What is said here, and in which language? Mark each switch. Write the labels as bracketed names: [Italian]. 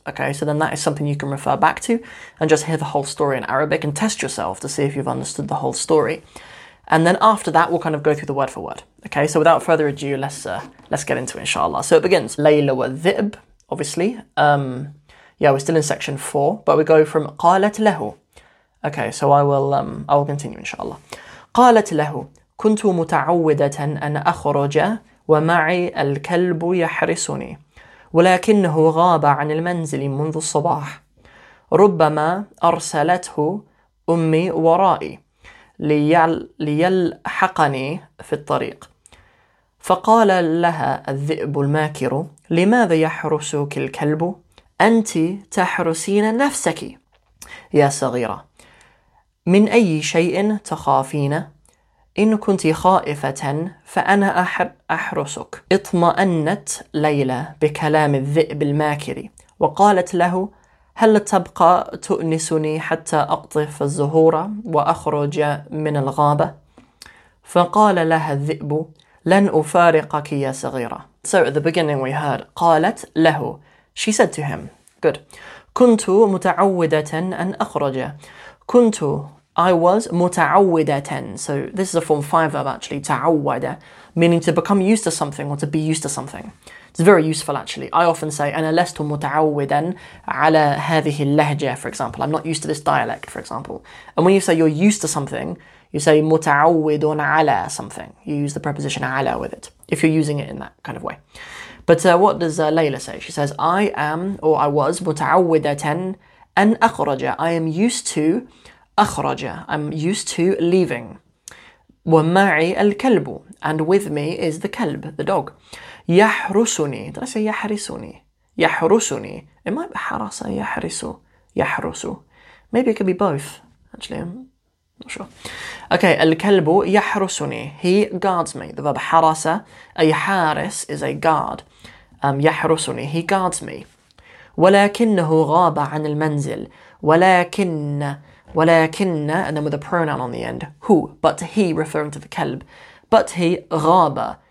[English] Okay, so then that is something you can refer back to and just hear the whole story in Arabic and test yourself to see if you've understood the whole story. And then after that, we'll kind of go through the word for word. Okay, so without further ado, let's get into it, inshallah. So it begins, Layla wa Dhib. Obviously, we're still in section 4, but we go from قالت له. Okay, so I will continue, inshallah. [Arabic] قالت له كنت متعودة أن أخرج ومعي الكلب يحرسني ولكنه غاب عن المنزل منذ الصباح ربما أرسلته أمي ورائي ليلحقني في الطريق فقال لها الذئب الماكر لماذا يحرسك الكلب أنت تحرسين نفسك يا صغيرة من أي شيء تخافين إن كنت خائفة فأنا أحرسك اطمأنت ليلى بكلام الذئب الماكر وقالت له هل تبقى تؤنسني حتى أقطف الزهور وأخرج من الغابة فقال لها الذئب لن أفارقك يا صغيرة. [English] So at the beginning we heard قالت له. She said to him. Good. [Arabic] كنت متعودة أن أخرج. [English] كنت. I was متعودة. So this is a form 5 verb actually. [Arabic] تعودة. [English] Meaning to become used to something or to be used to something. It's very useful actually. I often say [Arabic] أنا لست متعودا على هذه اللهجة [English] for example. I'm not used to this dialect for example. And when you say you're used to something, you say متعود على something. You use the preposition على with it, if you're using it in that kind of way. But what does Layla say? She says, I am, or I was, [Arabic] متعودة أن أخرج. [English] I am used to أخرج. I'm used to leaving. [Arabic] ومعي الكلب. [English] And with me is the كلب, the dog. [Arabic] يحرسني. Did I say يحرسني? يحرسني. It might be حرس يحرس. يحرس. [English] Maybe it could be both, actually. Not sure. [Arabic] Okay, الكلب يحرسني. [English] He guards me. The verb حرس, أي حارس, is a guard. [Arabic] يحرسني. [English] He guards me. [Arabic] ولكنه غاب عن المنزل. [English] ولكن, and then with a pronoun on the end. Who? But he, referring to the كلب. But he غاب.